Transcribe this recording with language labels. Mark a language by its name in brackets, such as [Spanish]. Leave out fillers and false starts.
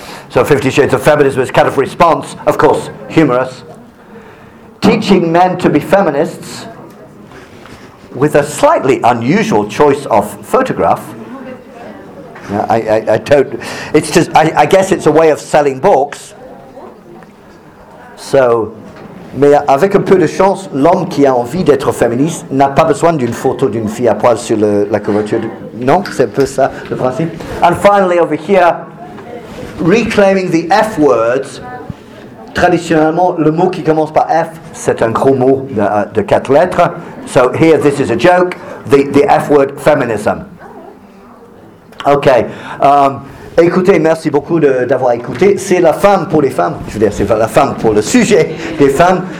[English] So 50 Shades of Feminism is kind of response, of course, humorous. Teaching Men to be Feminists, with a slightly unusual choice of photograph. I don't. It's just. I guess it's a way of selling books. [French] So, mais avec un peu de chance, l'homme qui a envie d'être féministe n'a pas besoin d'une photo d'une fille à poil sur la couverture. Non, c'est un peu ça le principe. [English] And finally, over here, reclaiming the F words. [French] Traditionnellement, le mot qui commence par F, c'est un gros mot de quatre lettres. [English] So here, this is a joke. The F word, feminism. [French] Ok, écoutez, merci beaucoup d'avoir écouté. C'est la femme pour les femmes, je veux dire, c'est la femme pour le sujet des femmes.